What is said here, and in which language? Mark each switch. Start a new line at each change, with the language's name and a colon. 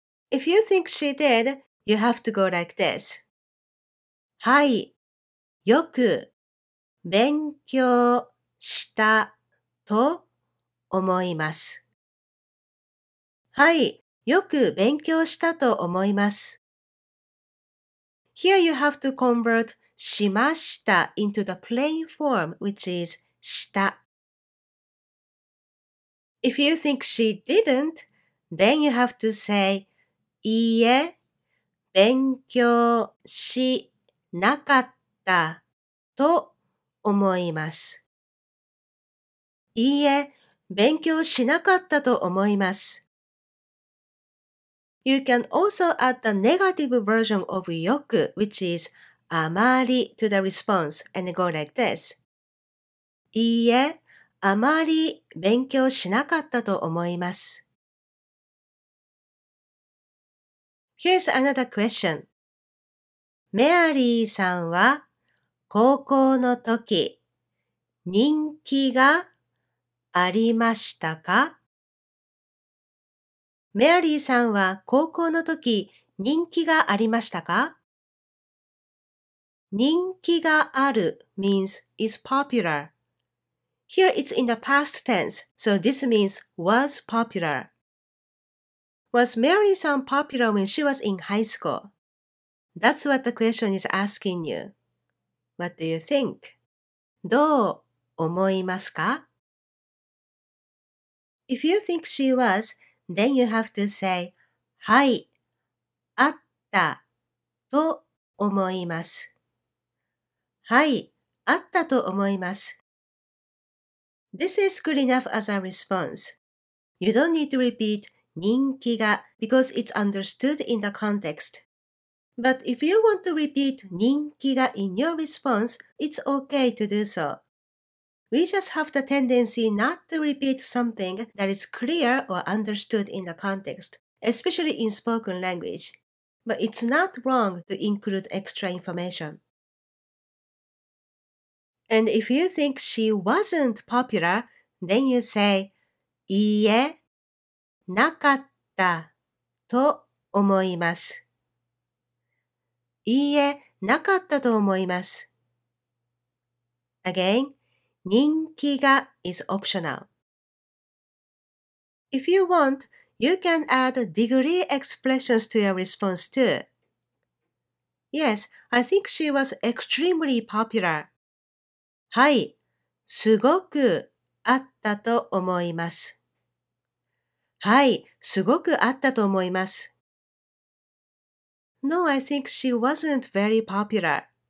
English: If you think she did, you have to go like this.
Japanese: はい、よく勉強したと思います。はい、よく勉強したと思います。
English: Here you have to convert しました into the plain form, which is した。 If you think she didn't, then you have to say
Japanese: いいえ、勉強しなかったと思います。いいえ、勉強しなかったと思います。
English: You can also add the negative version of よく, which is あまり to the response and go like this.
Japanese: いいえ、あまり勉強しなかったと思います。
English: Here's another question.
Japanese: メアリーさんは高校の時人気がありましたか? メアリーさんは高校の時人気がありましたか?
English: 人気がある means is popular. Here it's in the past tense, so this means was popular. Was Mary-san popular when she was in high school? That's what the question is asking you. What do you think?
Japanese: どう思いますか?
English: If you think she was, then you have to say,
Japanese: はい、あったと思います。はい、あったと思います。
English: This is good enough as a response. You don't need to repeat 人気が because it's understood in the context. But if you want to repeat 人気が in your response, it's okay to do so. We just have the tendency not to repeat something that is clear or understood in the context, especially in spoken language. But it's not wrong to include extra information. And if you think she wasn't popular, then you say,
Japanese: いいえ、なかったと思います。いいえ、なかったと思います。
English: Again, 人気が is optional. If you want, you can add degree expressions to your response too. Yes, I think she was extremely popular.
Japanese: はい、すごくあったと思います。はい、すごくあったと思います。
English: No, I think she wasn't very popular.